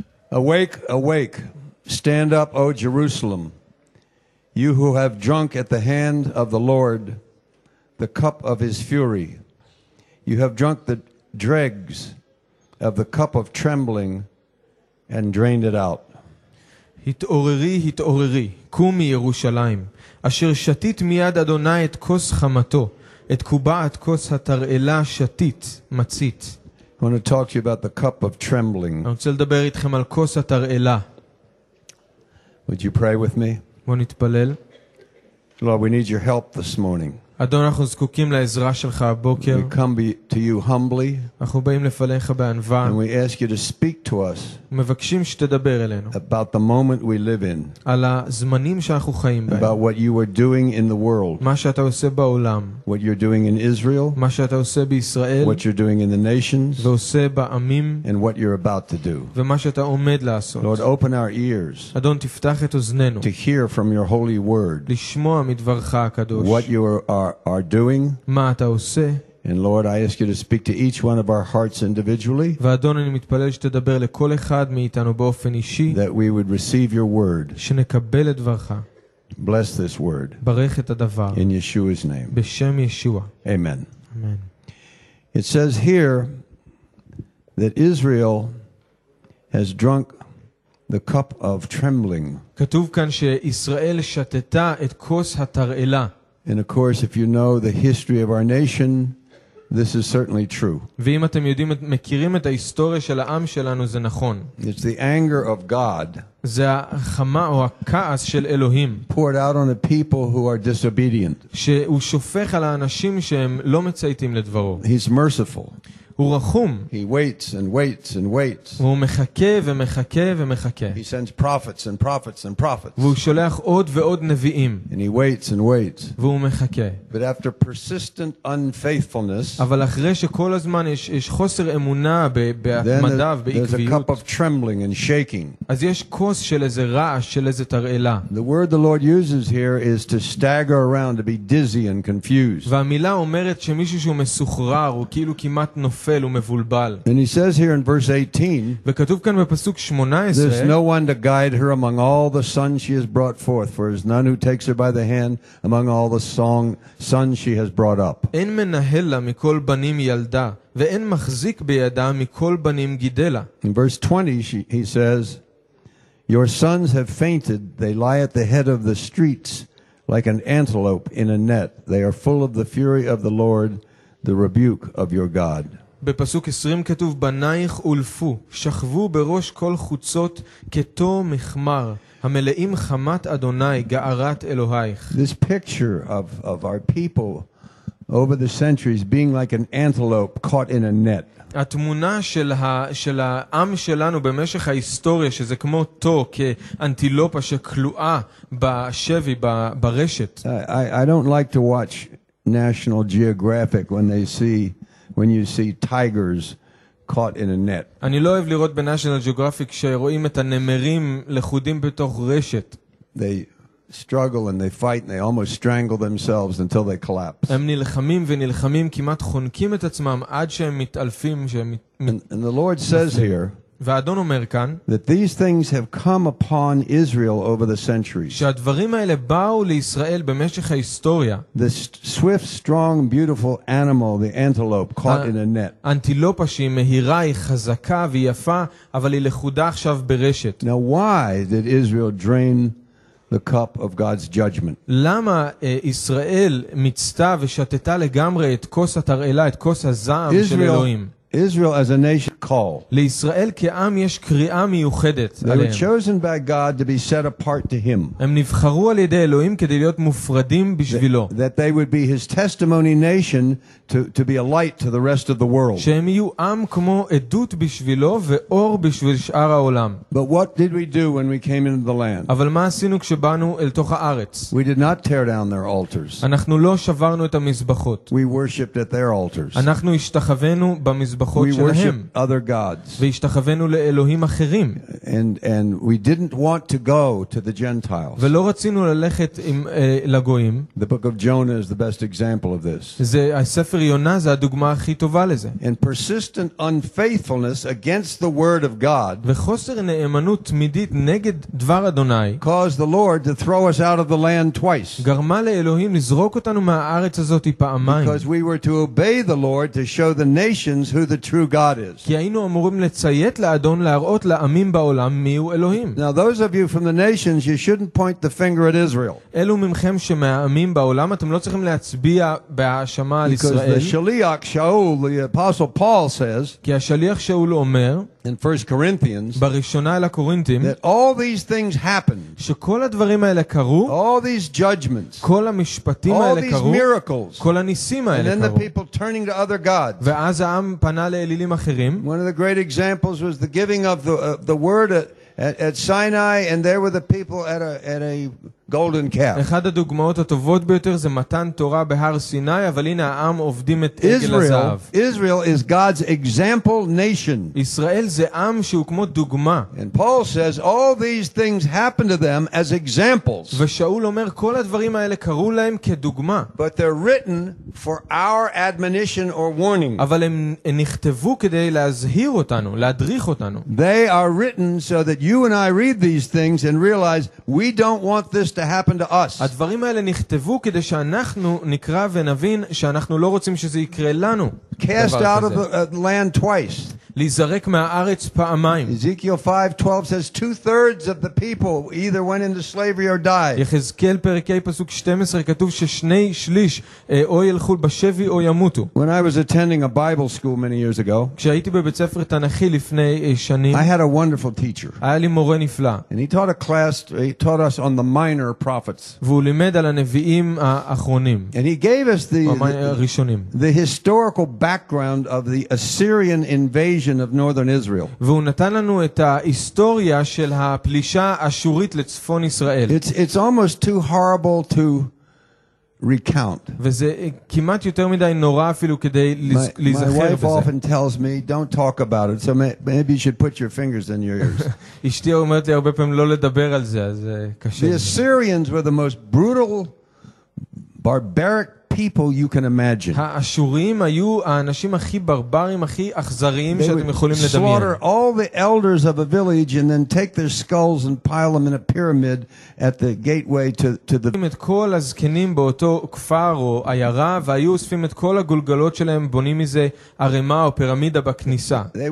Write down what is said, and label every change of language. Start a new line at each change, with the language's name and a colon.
English: Awake, awake, stand up, O Jerusalem, you who have drunk at the hand of the Lord the cup of his fury. You have drunk the dregs of the cup of trembling and drained it out.
Hebrew: התעוררי, התעוררי, קומי ירושלים, אשר שתית מיד אדוני את כוס חמתו. את קובעת כוס התרעלה שתית, מצית.
English: I want to talk to you about the cup of trembling.
Hebrew: אני רוצה לדבר איתכם על כוס התרעלה.
English: Would you pray with me?
Hebrew: בוא נתפלל.
English: Lord, we need your help this morning.
Hebrew: אדון, אנחנו זקוקים לעזרה שלך הבוקר.
English: We come to you humbly.
Hebrew: אנחנו באים לפניך בענווה.
English: And we ask you to speak to us.
Hebrew: מבקשים שתדבר אלינו.
English: About the moment we live in.
Hebrew: על הזמנים שאנחנו חיים בהם.
English: About what you are doing in the world.
Hebrew: מה שאתה עושה בעולם.
English: What you're doing in Israel.
Hebrew: מה שאתה עושה בישראל.
English: What you're doing in the nations.
Hebrew: ועושה בעמים.
English: And what you're about to do.
Hebrew: ומה שאתה עומד לעשות.
English: Lord, open our ears.
Hebrew: אדון, תפתח את אוזנינו.
English: To hear from your holy word.
Hebrew: לשמוע מדברך הקדוש.
English: What you are doing. And Lord, I ask you to speak to each one of our hearts individually.
Hebrew: ואדון, אני מתפלל שתדבר לכל אחד מאיתנו באופן אישי.
English: That we would receive your word.
Hebrew: שנקבל את דברך.
English: Bless this word.
Hebrew: ברך את הדבר.
English: In Yeshua's name.
Hebrew: בשם ישוע.
English: Amen. Amen. It says here that Israel has drunk the cup of trembling.
Hebrew: כתוב כאן שישראל שתתה את כוס התרעלה.
English: And of course, if you know the history of our nation, this is certainly true.
Hebrew: ואם אתם יודעים, מכירים את ההיסטוריה של העם שלנו, זה נכון.
English: It's the anger of God.
Hebrew: זה החמה או הכעס של אלוהים.
English: Poured out on the people who are disobedient.
Hebrew: שהוא שופך על האנשים שהם לא מצייתים לדברו.
English: He's merciful.
Hebrew: הוא רחום.
English: He waits and waits and waits.
Hebrew: והוא מחכה ומחכה ומחכה.
English: He sends prophets and prophets and prophets.
Hebrew: והוא שולח עוד ועוד נביאים.
English: And he waits and waits.
Hebrew: והוא מחכה.
English: But after persistent unfaithfulness,
Hebrew: אבל אחרי שכל הזמן יש חוסר אמונה בהתמדה, בעקביות,
English: there's a cup of trembling and shaking.
Hebrew: אז יש כוס של איזה רעש, של איזה תרעלה.
English: The word the Lord uses here is to stagger around, to be dizzy and confused.
Hebrew: והמילה אומרת שמישהו שהוא מסוחרר, הוא כאילו כמעט נופל.
English: And he says here in verse 18, there's no one to guide her among all the sons she has brought forth, for there's none who takes her by the hand among all the sons she has brought up.
Hebrew: אין מנהל לה מכל בנים ילדה, ואין מחזיק בידה מכל בנים גידלה.
English: In verse 20, he says, your sons have fainted, they lie at the head of the streets like an antelope in a net. They are full of the fury of the Lord, the rebuke of your God.
Hebrew: בפסוק 20 כתוב בנייך אולפו שכבו בראש כל חוצות כתו מחמר המלאים חמת אדוני גערת אלוהיך.
English: This picture of our people over the centuries being like an antelope caught in a net.
Hebrew: התמונה של העם שלנו במשך ההיסטוריה שזה כמו תו כאנטילופה שכלואה בשבי ברשת.
English: I don't like to watch National Geographic when you see tigers caught in a net.
Hebrew: אני לא אוהב לראות בנשיונל ג'וגרפיק שרואים את הנמרים לכודים בתוך רשת.
English: They struggle and they fight and they almost strangle themselves until they collapse.
Hebrew: הם נלחמים ונלחמים כמעט חונקים את עצמם עד שהם מתעלפים.
English: And the Lord says here,
Hebrew: ואדון אומר כאן,
English: that these things have come upon Israel over the centuries.
Hebrew: שהדברים האלה באו לישראל במשך ההיסטוריה.
English: The swift, strong, beautiful animal, the antelope, caught in a net.
Hebrew: אנטילופה שהיא מהירה, היא חזקה ויפה, אבל היא לכודה עכשיו ברשת.
English: Now why did Israel drain the cup of God's judgment?
Hebrew: למה ישראל מצתה ושתתה לגמרי את כוס התרעלה, את כוס הזעם של אלוהים?
English: Israel as a nation call.
Hebrew: לישראל כעם יש קריאה מיוחדת עליהם.
English: They were chosen by God to be set apart to him.
Hebrew: הם נבחרו על ידי אלוהים כדי להיות מופרדים בשבילו.
English: That they would be his testimony nation to be a light to the rest of the world.
Hebrew: שהם יהיו עם כמו עדות בשבילו ואור בשביל שאר העולם.
English: But what did we do when we came into the land?
Hebrew: אבל מה עשינו כשבאנו אל תוך הארץ?
English: We did not tear down their altars.
Hebrew: אנחנו לא שברנו את המזבחות.
English: We worshiped at their altars.
Hebrew: אנחנו השתחווינו במזבחות שלהם.
English: We worshiped other gods.
Hebrew: והשתחווינו לאלוהים אחרים.
English: And we didn't want to go to the Gentiles.
Hebrew: ולא רצינו ללכת עם לגויים.
English: The book of Jonah is the best example of this.
Hebrew: זה הספר יונה זה הדוגמה הכי טובה לזה.
English: And persistent unfaithfulness against the word of God.
Hebrew: וחוסר נאמנות תמידית נגד דבר אדוני.
English: Caused the Lord to throw us out of the land twice.
Hebrew: גרמה לאלוהים לזרוק אותנו מהארץ הזאת פעמיים.
English: Because we were to obey the Lord to show the nations who the true God is.
Hebrew: כי היינו אמורים לציית לאדון להראות לעמים בעולם מיהו אלוהים.
English: Now those of you from the nations, you shouldn't point the finger at Israel.
Hebrew: אלו ממכם שמהעמים בעולם, אתם לא צריכים להצביע בהאשמה על ישראל.
English: Because the
Hebrew: שליח שאול,
English: the apostle Paul says,
Hebrew: כי השליח שאול אומר,
English: in 1 Corinthians,
Hebrew: בראשונה אל הקורינתים,
English: that all these things happened,
Hebrew: שכל הדברים האלה קרו,
English: all these judgments,
Hebrew: כל המשפטים האלה קרו,
English: all these miracles,
Hebrew: כל הניסים האלה קרו,
English: and then the people turning to other gods.
Hebrew: ואז העם פנה לאלילים אחרים.
English: One of the great examples was the giving of the word at Sinai, and there were the people at a golden calf.
Hebrew: אחד הדוגמאות הטובות ביותר זה מתן תורה בהר סיני, אבל הנה העם עובדים את עגל הזהב.
English: Israel is God's example nation.
Hebrew: ישראל זה עם שהוא כמו דוגמה.
English: And Paul says all these things happened to them as examples.
Hebrew: ושאול אומר כל הדברים האלה קרו להם כדוגמה.
English: But they're written for our admonition or warning.
Hebrew: אבל הם נכתבו כדי להזהיר אותנו, להדריך אותנו.
English: They are written so that you and I read these things and realize we don't want this to happen to us.
Hebrew: הדברים האלה נכתבו כדי שאנחנו נקרא ונבין שאנחנו לא רוצים שזה יקרה לנו.
English: Cast out of the land twice.
Hebrew: להיזרק מהארץ פעמיים.
English: Ezekiel 5:12 says 2/3 of the people either went into slavery or died.
Hebrew: יחזקאל פרק פסוק 12 כתוב ששני שליש או ילכו בשבי או ימותו.
English: When I was attending a Bible school many years ago,
Hebrew: כשהייתי בבית ספר תנכי לפני שנים,
English: I had a wonderful teacher.
Hebrew: היה לי מורה נפלא.
English: And he taught us on the minor prophets.
Hebrew: והוא לימד על הנביאים האחרונים.
English: And he gave us the historical background of the Assyrian invasion of northern Israel.
Hebrew: והוא נתן לנו את ההיסטוריה של הפלישה האשורית לצפון ישראל.
English: It's almost too horrible to recount.
Hebrew: וזה כמעט יותר מדי נורא אפילו כדי להיזכר בזה.
English: My wife often tells me, don't talk about it. So maybe you should put your fingers in your ears.
Hebrew: אשתי אומרת לי הרבה פעמים לא לדבר על זה, אז קשה.
English: The Assyrians were the most brutal, barbaric people you can imagine.
Hebrew: האשורים היו האנשים הכי ברברים, הכי אכזריים שאתם יכולים לדמיין.
English: They would slaughter all the elders of a village and then take their skulls and pile them in a pyramid at the gateway to the
Hebrew: את כל הזקנים באותו כפר או עיירה והיו אוספים את כל הגולגלות שלהם בונים מזה ערימה או פירמידה בכניסה.